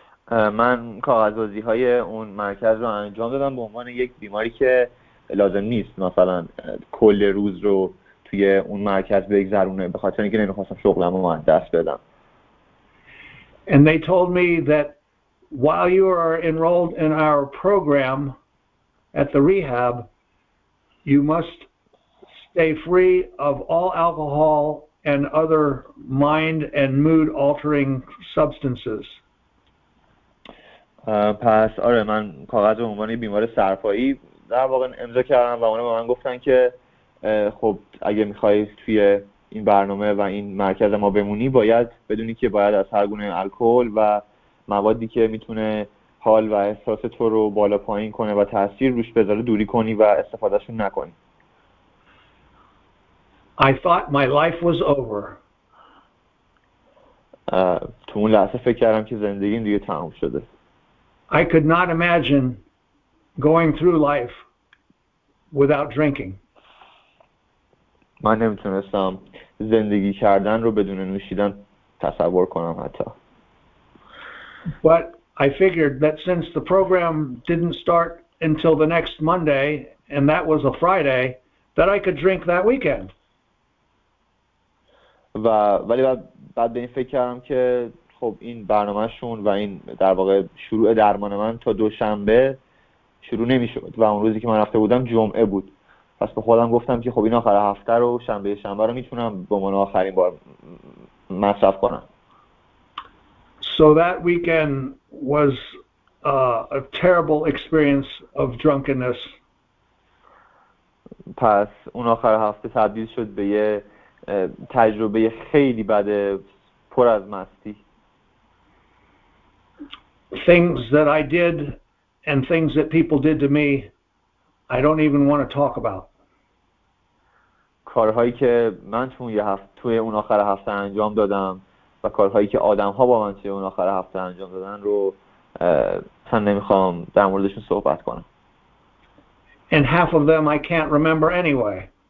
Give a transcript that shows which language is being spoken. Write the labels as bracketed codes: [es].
[fa] من کاغذبازی‌های اون مرکز رو انجام دادم به عنوان یک بیماری که لازم نیست مثلا کل روز رو توی اون مرکز بگذرونه به خاطر اینکه نمی‌خواستم شغلمو از دست بدم. [en] And they told me that while you are enrolled in our program at the rehab, you must stay free of all alcohol and other mind and mood altering substances. [fa] پس آره من کاغذ به عنوان بیمار سرپایی در واقع امضا کردم و اونا به من گفتن که خب اگه میخوای توی این برنامه و این مرکز ما بمونی باید بدونی که باید از هر گونه الکل و موادی که میتونه حال و احساس تو رو بالا پایین کنه و تأثیر روش بذاره دوری کنی و استفادهشون نکنی. [en] I thought my life was over. [fa] تو اون لحظه فکر کردم که زندگیم دیگه تموم شده. [en] I could not imagine going through life without drinking. [fa] من نمیتونستم زندگی کردن رو بدون نوشیدن تصور کنم حتی. [en] But I figured that since the program didn't start until the next Monday, and that was a Friday, that I could drink that weekend. [fa] و ولی بعد به این فکر کردم که خب این برنامه‌شون و این در واقع شروع درمان من تا دوشنبه شروع نمی‌شد و اون روزی که من رفته بودم جمعه بود. پس به خودم گفتم که خب این آخر هفته رو شنبه شنبه رو میتونم به من آخرین بار مصرف کنم. [en] So that weekend was a terrible experience of drunkenness. [fa] پس اون آخر هفته تبدیل شد به یه تجربه خیلی بد پر از مستی. [en] Things that I did and things that people did to me, I don't even want to talk about. [fa] کارهایی که من توی اون آخر هفته انجام دادم و کارهایی که آدم‌ها با من توی اون آخر هفته انجام دادن رو من نمی‌خوام در موردشون صحبت کنم. [en] And half of them I can't remember anyway.